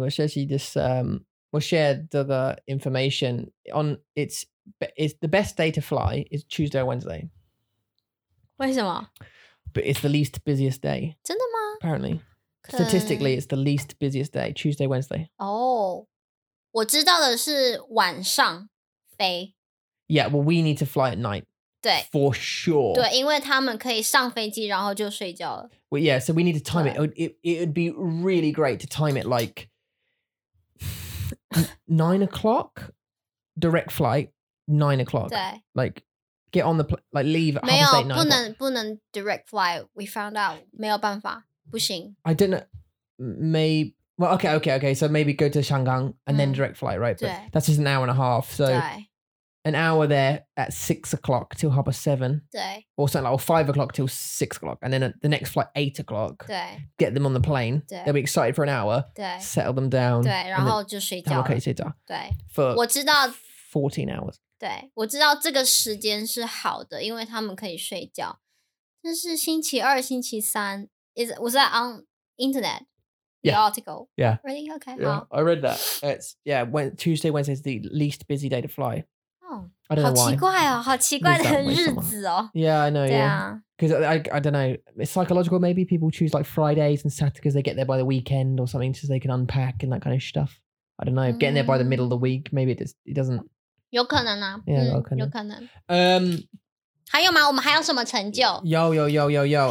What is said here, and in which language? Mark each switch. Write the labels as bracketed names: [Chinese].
[Chinese] 我学习 [English] this, 我 share [Chinese] 这个 [English] information on, it's the best day to fly is Tuesday or Wednesday. [Chinese] 为什么? [English] But it's the least busiest day. [Chinese] 真的吗? [English] Apparently. Statistically, it's the least busiest day, Tuesday, Wednesday. [Chinese] Oh, 我知道的是晚上飞。 [English] Yeah, well, we need to fly at night. [Chinese] 对。 [English] For sure. [Chinese] 对,因为他们可以上飞机然后就睡觉了。 [English] Well, yeah, so we need to time it. It would be really great to time it like 9 o'clock, direct flight, 9 o'clock. [Chinese] 对。 [English] Like,get on the plane, like leave at [Chinese] 没有, [English] half day, 9 o'clock. [Chinese] 不能 [English] direct flight, we found out, [Chinese] 没有办法。不行 [English] I didn't may well okay so maybe go to Shangang and then direct flight right but that's just an hour and a half so an hour there at 6 o'clock till half past seven or something like 5 o'clock till 6 o'clock and then the next flight 8 o'clock get them on the plane they'll be excited for an hour settle them down [Chinese] 对然后就睡觉了 okay 睡觉对 [English] for [Chinese] 我知道 [English] 14 hours [Chinese] 对我知道这个时间是好的因为他们可以睡觉但是星期二星期三 [English] Was that on internet? The article? Yeah. Really? Okay. Yeah, I read that. Tuesday, Wednesday is the least busy day to fly. Oh. I don't know why. [Chinese] 好奇怪哦，好奇怪的日子哦。 [English] Yeah, I know, yeah. Because I don't know, it's psychological maybe. People choose like Fridays and Saturdays because they get there by the weekend or something so they can unpack and that kind of stuff. I don't know. Getting there by the middle of the week, maybe it doesn't... [Chinese] 有可能啊。 [English] Yeah, [Chinese] 有可能。有可能。还有吗？我们还有什么成就？有有有有有。